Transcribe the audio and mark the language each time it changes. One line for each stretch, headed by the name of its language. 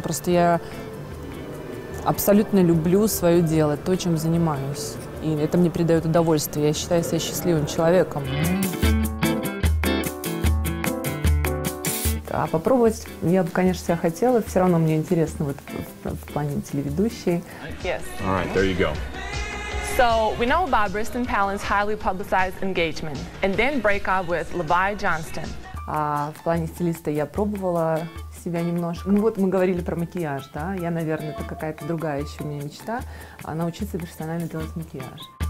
Russian: Просто я абсолютно люблю свое дело, то, чем занимаюсь. И это мне придает удовольствие. Я считаю себя счастливым человеком. А попробовать я бы, конечно, себя хотела. Все равно мне интересно вот в плане телеведущей.
English: Yes. All right, there you go. So, we know about Briston Palin's highly publicized engagement and then break up with Levi Johnston.
Russian: А в плане стилиста я пробовала себя немножко. Ну вот мы говорили про макияж, да? Я, наверное, это какая-то другая еще у меня мечта, а научиться персонально делать макияж.